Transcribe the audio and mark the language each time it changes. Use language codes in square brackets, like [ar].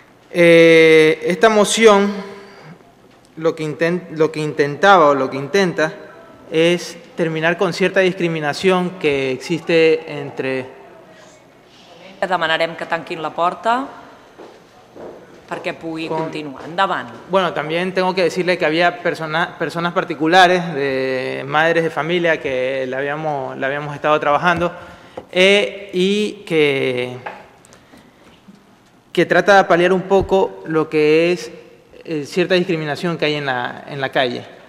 [es] Esta moción lo que intenta es terminar con cierta discriminación que existe entre... [ca] Demanarem que tanquin la porta perquè pugui continuar. Endavant. [es] Bueno, también tengo que decirle que había personas particulares, de madres de familia que la habíamos estado trabajando y que... que trata de paliar un poco lo que es cierta discriminación que hay en la calle.